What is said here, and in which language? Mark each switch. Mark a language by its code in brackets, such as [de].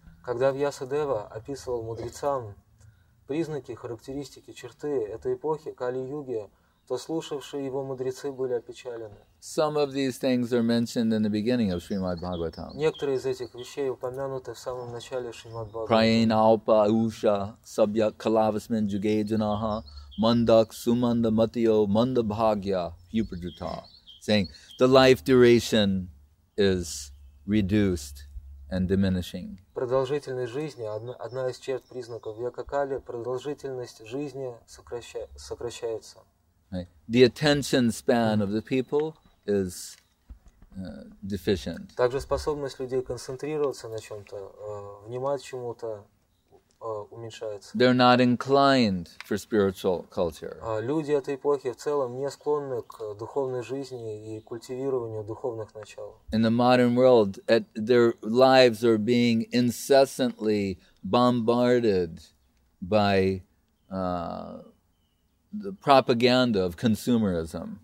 [ru] Когда Вьясадева описывал мудрецам признаки, характеристики, черты этой эпохи Кали-Юги, то слушавшие его мудрецы были опечалены. [en] Some of these things are mentioned in the beginning of Srimad Bhagavatam. [ru] Некоторые из этих вещей упомянуты в самом начале Шримад Бхагаватам. [sa] Прайна алпа ауша сабья калавасмен джугей джанаха мандак суманда матио манда бхагья хьюпаджута. [en] Saying the life duration is reduced and diminishing. [ru] Продолжительность жизни одна из черт признаков века Кали. Продолжительность жизни сокращается. [en] Right. The attention span of the people is deficient. [ru] Также способность людей концентрироваться на чем-то, внимать чему-то, уменьшается. [en] They're not inclined for spiritual culture. [ru] Люди этой эпохи в целом не склонны к духовной жизни и культивированию духовных начал. [en] In the modern world, their lives are being incessantly bombarded by the propaganda of consumerism.